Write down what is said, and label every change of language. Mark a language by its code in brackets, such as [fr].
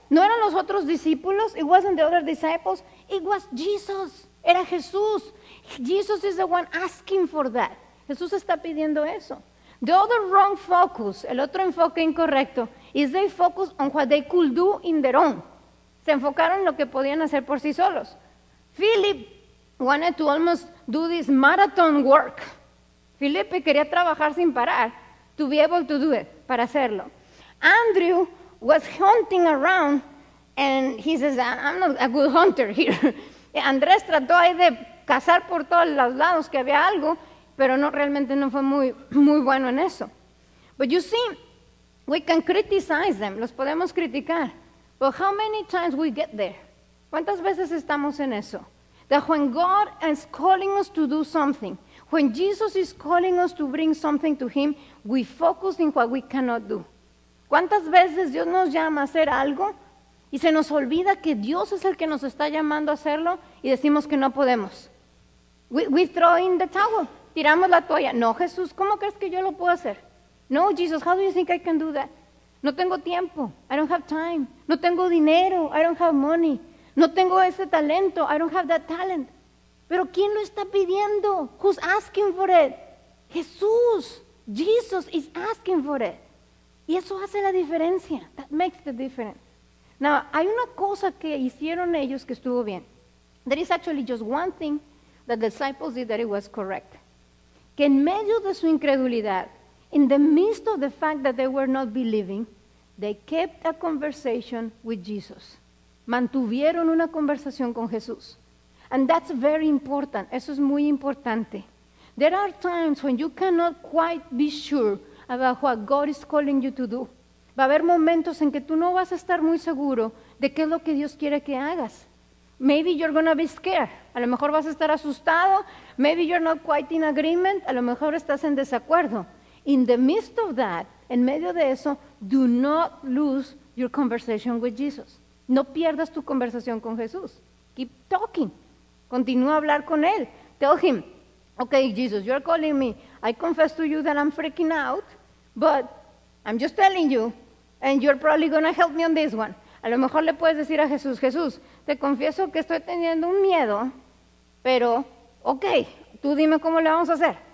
[es] No eran los otros discípulos. [en] It wasn't the other disciples. It was Jesus. [es] Era Jesús. [en] Jesus is the one asking for that. [es] Jesús está pidiendo eso. [en] The other wrong focus, [es] el otro enfoque incorrecto, [en] is they focus on what they could do in their own. [es] Se enfocaron en lo que podían hacer por sí solos. [en] Philip wanted to almost do this marathon work. [es] Felipe quería trabajar sin parar [en] to be able to do it, [es] para hacerlo. [en] Andrew was hunting around and he says, I'm not a good hunter here. [es] Andrés trató ahí de cazar por todos los lados que había algo, pero no, realmente no fue muy, muy bueno en eso. [en] But you see, we can criticize them, [es] los podemos criticar. [en] But how many times we get there? [es] ¿Cuántas veces estamos en eso? [en] That when God is calling us to do something, when Jesus is calling us to bring something to Him, we focus in what we cannot do. [es] ¿Cuántas veces Dios nos llama a hacer algo y se nos olvida que Dios es el que nos está llamando a hacerlo y decimos que no podemos? [en] We throw in the towel. [es] Tiramos la toalla. No, Jesús, ¿cómo crees que yo lo puedo hacer? [en] No, Jesus, how do you think I can do that? [es] No tengo tiempo. [en] I don't have time. [es] No tengo dinero. [en] I don't have money. [es] No tengo ese talento. [en] I don't have that talent. [es] Pero ¿quién lo está pidiendo? [en] Who's asking for it? [es] Jesús. [en] Jesus is asking for it. [es] Y eso hace la diferencia. [en] That makes the difference. [es] Now, hay una cosa que hicieron ellos que estuvo bien. [en] There is actually just one thing that the disciples did that it was correct. [es] Que en medio de su incredulidad, [en] in the midst of the fact that they were not believing, they kept a conversation with Jesus. [es] Mantuvieron una conversación con Jesús. [en] And that's very important. [es] Eso es muy importante. [en] There are times when you cannot quite be sure about what God is calling you to do. [es] Va a haber momentos en que tú no vas a estar muy seguro de qué es lo que Dios quiere que hagas. [en] Maybe you're going to be scared. [es] A lo mejor vas a estar asustado. [en] Maybe you're not quite in agreement. [es] A lo mejor estás en desacuerdo. [en] In the midst of that, [es] en medio de eso, [en] do not lose your conversation with Jesus. [es] No pierdas tu conversación con Jesús. [en] Keep talking. [es] Continúa a hablar con Él. [en] Tell Him, okay, Jesus, you're calling me. I confess to you that I'm freaking out, but I'm just telling you, and you're probably going to help me on this one. [es] A lo mejor le puedes decir a Jesús, Jesús, te confieso que estoy teniendo un miedo, pero, okay, tú dime cómo le vamos a hacer.